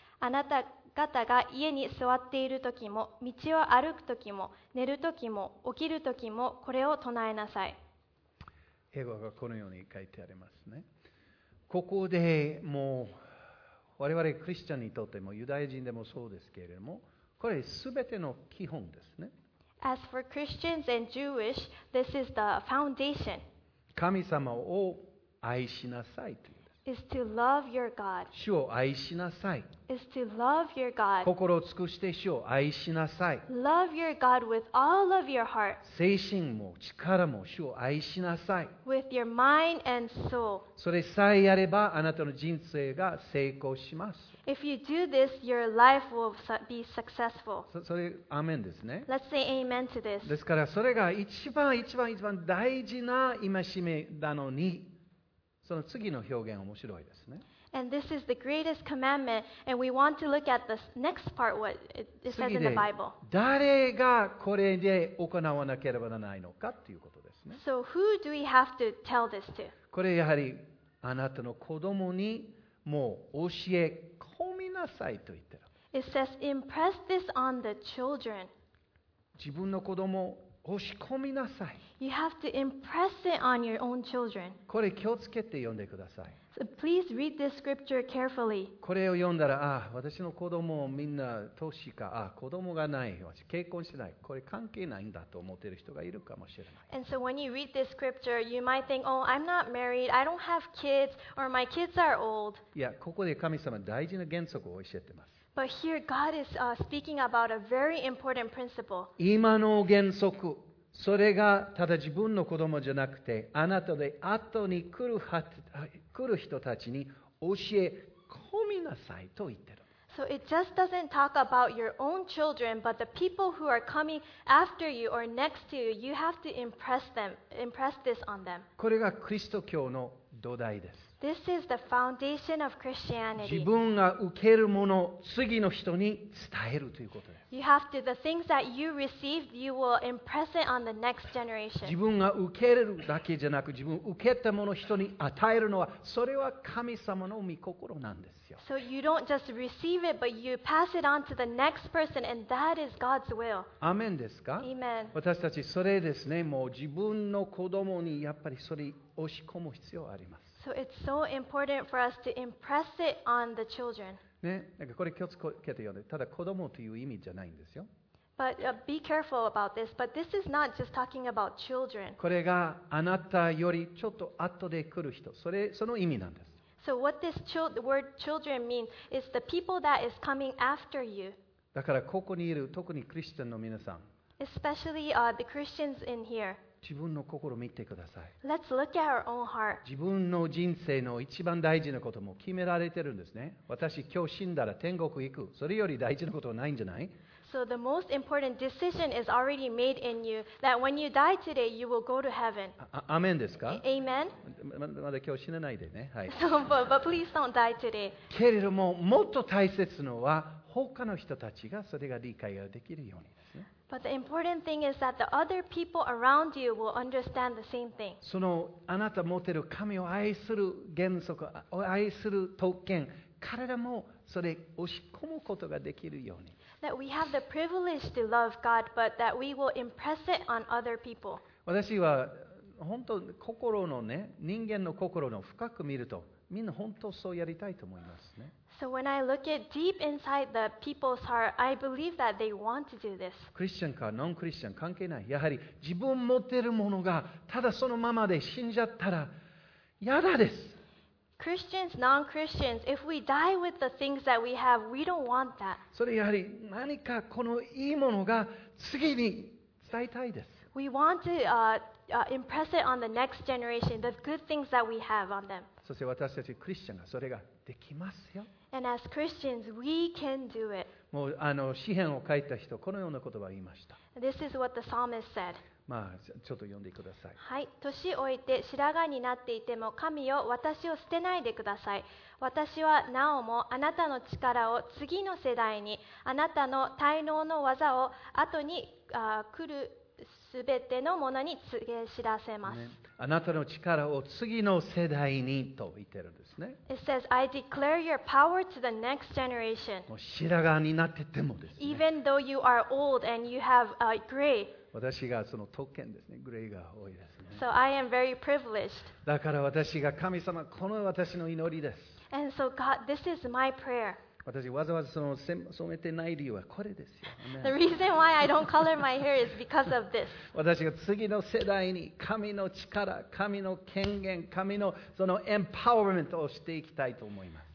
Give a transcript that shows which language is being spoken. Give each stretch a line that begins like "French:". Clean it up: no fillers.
Japanese: あなた方が家に座っているときも、道を歩くときも、寝るときも、起きるときも、これを唱えなさい。英語がこのように書いてありますね。ここでもう我々クリスチャンにとってもユダヤ人でもそうですけれども、これすべての基本ですね。
English: As for Christians and Jewish, this is the foundation.
Japanese: 神様を愛しなさいというです。
English: is to love your God.
Japanese: 主を愛しなさい。
English: is to love your God.
Japanese: 心を尽くして主を愛しなさい。
English: love your God with all of your heart.
Japanese: 精神も力も主を愛しなさい。
English: with your mind and soul.
Japanese: それさえやればあなたの人生が成功します。
English: if you do this, your life will be successful.
Japanese: それ、アーメンですね。
English: let's say amen to this.
Japanese: ですからそれが一番大事な戒めなのに、その次の表現面白いですね。
English: And this is the greatest commandment, and we want to look at the next part, what it says in the Bible.
Japanese: 誰がこれで行わなければならないのかということですね。
English: So who do we have to tell this to?
Japanese: これやはりあなたの子供にもう教え込みなさいと言ってる。
English: It says impress this on the children.
Japanese: 自分の子供を押し込みなさい。
English: You have to impress it on your own children.
Japanese: これ気をつけて読んでください。
English: So please read this scripture carefully.
Japanese: これを読んだら、ああ、私の子供をみんな年か、子供がない、私結婚してない、これ関係ないんだと思っている人がいるかもしれない。
English: And so when you read this scripture, you might think, oh, I'm not married, I don't have kids, or my kids are old.
Japanese: いや、ここで神様大事な原則を教えてます。
English: But here God is speaking about a very important principle.
Japanese: 今の原則。それがただ自分の子供じゃなくてあなたで後に来る人たちに教え込みなさいと言ってる。
English: So it just doesn't talk about your own children, but the people who are coming after you or next to you, you have to impress this on them.
Japanese: これがキリスト教の土台です。
English: This is the foundation of Christianity.
Japanese: 自分が受けるものを次の人に伝えるということです。
English: You have to, the things that you receive, you will impress it on the next generation.
Japanese: 自分が受けるだけじゃなく、自分受けたものを人に与えるのは、それは神様の御心なんですよ。
English: So you don't just receive it, but you pass it on to the next person, and that is God's will.
Japanese: アメンですか？
English: Amen.
Japanese: 私たちそれですね、もう自分の子供にやっぱりそれ押し込む必要があります。
English: So it's so important for us to impress it on the children.
Japanese: ね、なんかこれ気をつけて読んで、ただ子供という意味じゃないんですよ。
English: But be careful about this. But this is not just talking about children.
Japanese: これがあなたよりちょっと後で来る人、それその意味なんです。
English: So what this word children means is the people that is coming after you.
Japanese: だからここにいる特にクリスチャンの皆さん、
English: especially the Christians in here.
Japanese: 自分の心を見てください。
English: Let's look at our own heart.
Japanese: 自分の人生の一番大事なことも決められてるんですね。私今日死んだら天国行く。それより大事なことはないんじゃない？
English: So the most important decision is already made in you that when you die today, you will go to heaven.
Japanese: アメンですか？
English: Amen.
Japanese: まだ今日死なないでね。はい。
English: So, but please don't die today.
Japanese: けれども、もっと大切のは他の人たちがそれが理解ができるように。
English: But the important thing is that the other people around you will understand the same thing.
Japanese: そのあなた持ってる神を愛する原則、愛する特権、彼らもそれ押し込むことができるように。
English: That we have the privilege to love God, but that we will impress it on other people.
Japanese: 私は本当心のね、人間の心の深く見ると、みんな本当そうやりたいと思いますね。
English: So when I look at deep inside the people's heart, I believe that they want to do this.
Japanese: クリスチャンかノンクリスチャン関係ない。やはり自分持ってるものがただそのままで死んじゃったら嫌だです。
English: Christians, non-Christians, if we die with the things that we have, we don't want that.
Japanese: それやはり何かこのいいものが次に伝えたいです。
English: We want to impress it on the next generation, the good things that we have on them.
Japanese: そして私たちクリスチャンがそれができますよ。
English: And as Christians, we can do it.
Japanese: もう詩編を書いた人このような言葉を言いました。
English: This is what the psalmist said.
Japanese: まあちょっと読んでください。はい、年老いて白髪になっていても神よ、私を捨てないでください。私はなおもあなたの力を次の世代に、あなたの滞納の技を後に来るすべてのものに告げ知らせます。ね、あなたの力を次の世代にと言ってるんですね。
English: It says, I declare your power to the next generation.
Japanese: もう白髪になっててもですね。
English: Even though you are old and you have a gray.
Japanese: 私がその特権ですね。グレーが多いですね。
English: So I am very privileged.
Japanese: だから私が神様、この私の祈りです。
English: And so God, this is my prayer.
Japanese: 私わざわざその染めてない理由はこれですよ。
English: The reason why I don't color my hair is because of this.
Japanese: 私が次の世代に神の力、神の権限、神のそのエンパワーメントをしていきたいと思います。